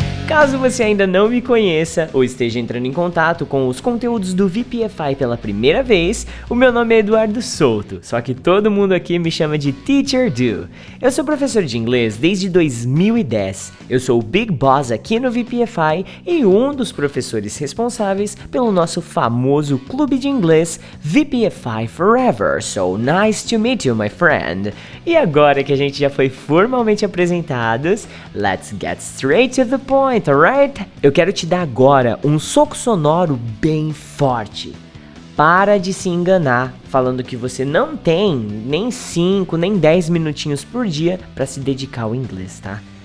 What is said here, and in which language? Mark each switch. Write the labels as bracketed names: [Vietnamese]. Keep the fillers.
[Portuguese] Caso você ainda não me conheça ou esteja entrando em contato com os conteúdos do VPFI pela primeira vez, o meu nome é Eduardo Souto, só que todo mundo aqui me chama de Teacher Do. Eu sou professor de inglês desde 2010. Eu sou o Big Boss aqui no VPFI e um dos professores responsáveis pelo nosso famoso clube de inglês VPFI Forever. [English] So nice to meet you, my friend. [Portuguese] E agora que a gente já foi formalmente apresentados, [English] let's get straight to the point right, [Portuguese] Eu quero te dar agora um soco sonoro bem forte. Para de se enganar falando que você não tem nem 5, nem 10 minutinhos por dia para se dedicar ao inglês, tá?